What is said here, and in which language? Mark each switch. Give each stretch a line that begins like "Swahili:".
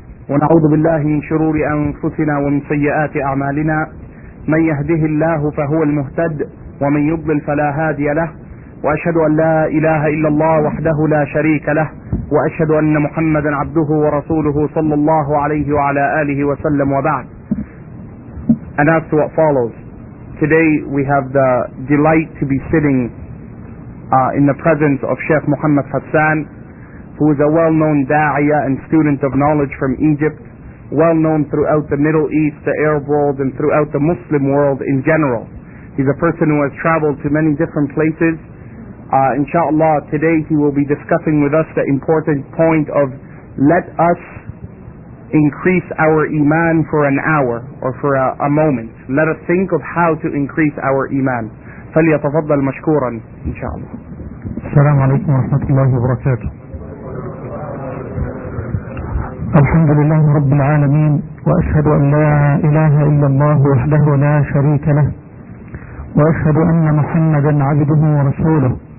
Arabic: ونعوذ بالله من شرور أنفسنا ومن سيئات أعمالنا، من يهده الله فهو المهتد، ومن يضلل فلا هادي له. وأشهد أن لا إله إلا الله وحده لا شريك له، وأشهد أن محمدا عبده ورسوله صلى الله عليه وعلى آله وسلم. وبعد.
English: And as to what follows, today we have the delight to be sitting in the presence of Sheikh Muhammad Hassan, who is a well-known da'iya and student of knowledge from Egypt, well-known throughout the Middle East, the Arab world, and throughout the Muslim world in general. He's a person who has traveled to many different places. Inshallah, today he will be discussing with us the important point of let us increase our iman for an hour or for a moment. Let us think of how to increase our iman.
Arabic: فَلْيَتَفَضَّلْ مَشْكُورًا Inshallah. السلام عليكم ورحمة الله وبركاته. الحمد لله رب العالمين، وأشهد أن لا إله إلا الله وحده لا شريك له، وأشهد أن محمدا عبده ورسوله.